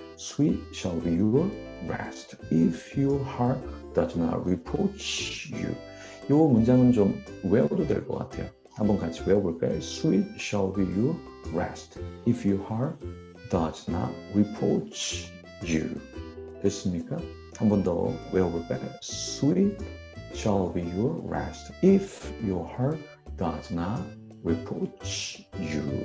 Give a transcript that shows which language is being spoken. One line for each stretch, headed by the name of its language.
English: Sweet shall be your rest if your heart does not reproach you.
Korean: 이 문장은 좀 외워도 될 것 같아요. 한번 같이 외워볼까요?
English: Sweet shall be your rest if your heart does not reproach you.
Korean: 됐습니까? 한번 더 외워볼까요?
English: Sweet shall be your rest if your heart does not reproach you.